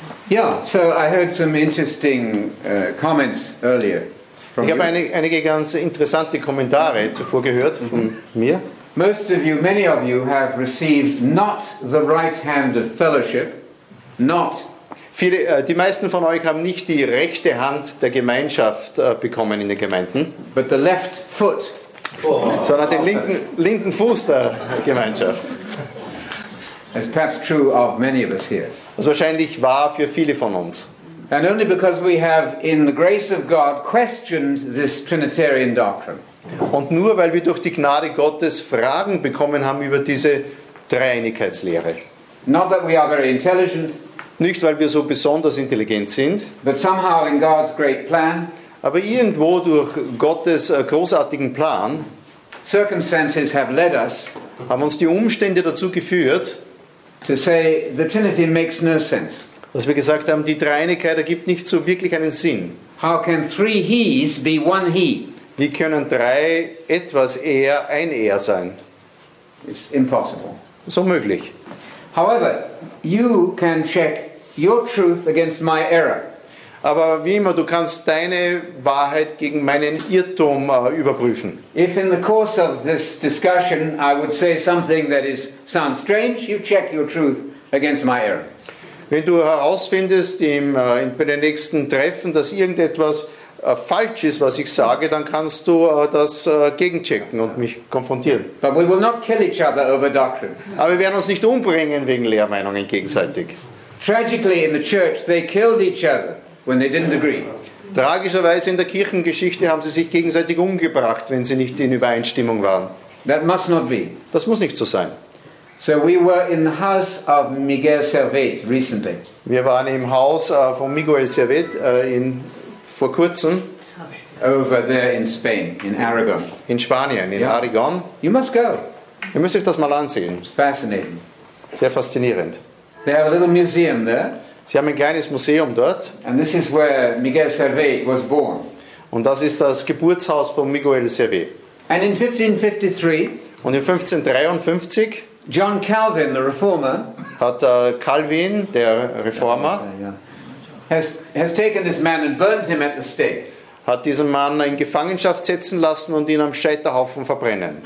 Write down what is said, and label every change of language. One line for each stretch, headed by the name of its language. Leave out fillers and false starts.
English: Yeah, so I heard some interesting comments earlier.
German: Ich habe einige ganz interessante Kommentare zuvor gehört von mir.
English: Most of you, many of you have received not the right hand of fellowship, not.
German: Die meisten von euch haben nicht die rechte Hand der Gemeinschaft bekommen in den Gemeinden,
English: but the left foot.
German: Sondern den linken Fuß der Gemeinschaft.
English: It's perhaps true of many of us here.
German: Das ist wahrscheinlich wahr für viele von uns.
English: And only because we have, in the grace of God, questioned this Trinitarian doctrine.
German: Und nur weil wir durch die Gnade Gottes Fragen bekommen haben über diese Dreieinigkeitslehre.
English: Not that we are very intelligent.
German: Nicht weil wir so besonders intelligent sind.
English: But somehow in God's great plan.
German: Aber irgendwo durch Gottes großartigen Plan.
English: Circumstances have led us.
German: Haben uns die Umstände dazu geführt.
English: To say the Trinity makes no sense.
German: Dass wir gesagt haben, die Dreieinigkeit ergibt nicht so wirklich einen Sinn.
English: How can three He's be one He?
German: Wie können drei etwas eher ein Er sein?
English: It's impossible.
German: Das ist unmöglich.
English: However, you can check your truth against my error.
German: Aber wie immer, du kannst deine Wahrheit gegen meinen Irrtum überprüfen.
English: If in the course of this discussion I would say something that is sounds strange, you check your truth against my error.
German: Wenn du herausfindest bei den nächsten Treffen, dass irgendetwas falsch ist, was ich sage, dann kannst du das gegenchecken und mich konfrontieren.
English: But we will not kill each other over doctrine.
German: Aber wir werden uns nicht umbringen wegen Lehrmeinungen gegenseitig.
English: Tragically in the church they killed each other when they didn't agree.
German: Tragischerweise in der Kirchengeschichte haben sie sich gegenseitig umgebracht, wenn sie nicht in Übereinstimmung waren.
English: That must not be.
German: Das muss nicht so sein.
English: So we were in the house of Miguel Servet recently.
German: Wir waren im Haus von Miguel Servet vor kurzem.
English: Over there in Spain, in Aragon.
German: In Spanien, in Aragon.
English: You must go.
German: Ihr müsst euch das mal ansehen.
English: Fascinating.
German: Sehr faszinierend.
English: They have a little museum there.
German: Sie haben ein kleines Museum dort.
English: And this is where Miguel Servet was born.
German: Und das ist das Geburtshaus von Miguel Servet.
English: And in 1553.
German: Und in 1553.
English: John Calvin, the reformer,
German: hat Calvin, der Reformer,
English: has taken this man and burned him at the stake.
German: Hat diesen Mann in Gefangenschaft setzen lassen und ihn am Scheiterhaufen verbrennen.